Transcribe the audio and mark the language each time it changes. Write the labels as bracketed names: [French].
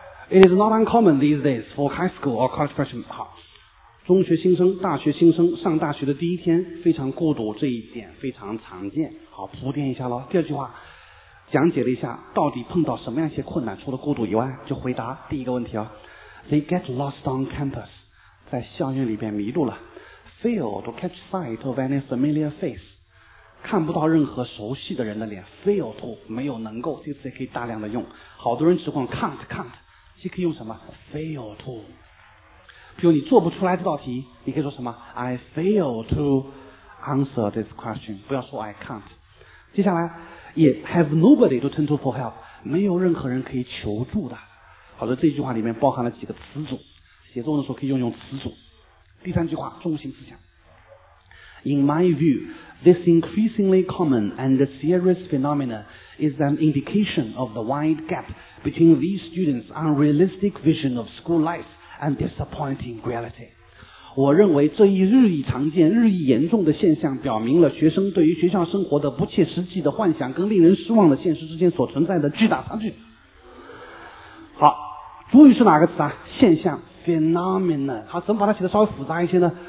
[English] It is not uncommon these days for high school or college freshmen。 [Chinese] 好，中学新生、大学新生上大学的第一天非常孤独，这一点非常常见。好，铺垫一下咯。第二句话讲解了一下到底碰到什么样一些困难，除了孤独以外，就回答第一个问题哦。 [English] They get lost on campus， [Chinese] 在校园里边迷路了。 [English] Fail to catch sight of any familiar face， [Chinese] 看不到任何熟悉的人的脸。 Fail to 没有能够，这个词也可以大量的用，好多人只管 can't， 既可以用什么 fail to，比如你做不出来这道题，你可以说什么 [English] I fail to answer this question， [Chinese] 不要说 [English] I can't。 [Chinese] 接下来也 [English] have nobody to turn to for help， [Chinese] 没有任何人可以求助的。好的，这句话里面包含了几个词组，写作的时候可以用用词组。第三句话中心思想， [English] In my view this increasingly common and serious phenomenon is an indication of the wide gap between these students unrealistic vision of school lifeand disappointing reality。 [Chinese] 我认为这一日益常见、日益严重的现象表明了学生对于学校生活的不切实际的幻想跟令人失望的现实之间所存在的巨大差距。好，主语是哪个词啊？现象 phenomenon。好，怎么把它写的稍微复杂一些呢？